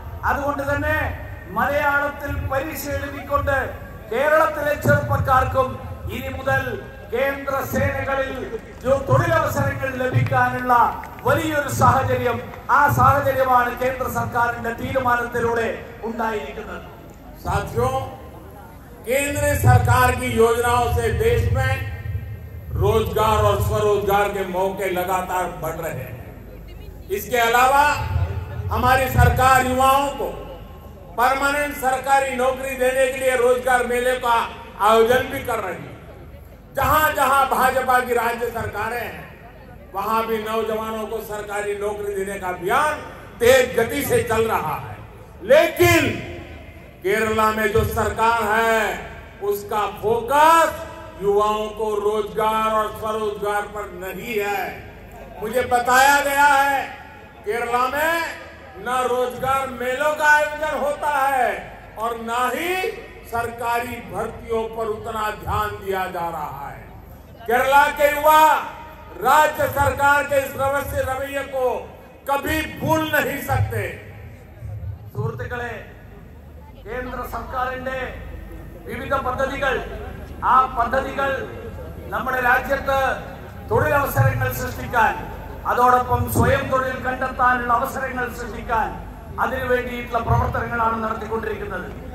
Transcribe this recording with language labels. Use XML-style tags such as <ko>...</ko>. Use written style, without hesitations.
<ml>അതുകൊണ്ട് തന്നെ മലയാളത്തിൽ പരീക്ഷ എഴുതിക്കൊണ്ട് കേരളത്തിലെ ചെറുപ്പക്കാർക്കും ഇനി മുതൽ കേന്ദ്ര സേനകളിൽ തൊഴിലവസരങ്ങൾ ലഭിക്കാനുള്ള വലിയൊരു സാഹചര്യം, ആ സാഹചര്യമാണ് കേന്ദ്ര സർക്കാരിന്റെ തീരുമാനത്തിലൂടെ ഉണ്ടായിരിക്കുന്നത്.</ml> <hi>സാധ്യോ കേന്ദ്ര സർക്കാർ की योजनाओं से देश में रोजगार और स्वरोजगार के मौके लगातार बढ़ रहे हैं. इसके अलावा हमारी सरकार युवाओं को परमानेंट सरकारी नौकरी देने के लिए रोजगार मेले का आयोजन भी कर रही है. जहां जहां भाजपा की राज्य सरकारें हैं वहां भी नौजवानों को सरकारी नौकरी देने का अभियान तेज गति से चल रहा है. लेकिन केरला में जो सरकार है उसका फोकस युवाओं को रोजगार और स्वरोजगार पर नहीं है. मुझे बताया गया है केरला में न रोजगार मेलों का आयोजन होता है और न ही सरकारी भर्तियों पर उतना ध्यान दिया जा रहा है. केरला के युवा राज्य सरकार के इस रवैये को कभी भूल नहीं सकते.</hi> <ml>സുഹൃത്തുക്കളെ, കേന്ദ്ര സർക്കാരിന്റെ വിവിധ പദ്ധതികൾ, ആ പദ്ധതികൾ നമ്മുടെ രാജ്യത്ത് തൊഴിലവസരങ്ങൾ സൃഷ്ടിക്കാൻ, അതോടൊപ്പം സ്വയം തൊഴിൽ കണ്ടെത്താനുള്ള അവസരങ്ങൾ സൃഷ്ടിക്കാൻ അതിനു വേണ്ടിയിട്ടുള്ള പ്രവർത്തനങ്ങളാണ് നടത്തിക്കൊണ്ടിരിക്കുന്നത്.</ml>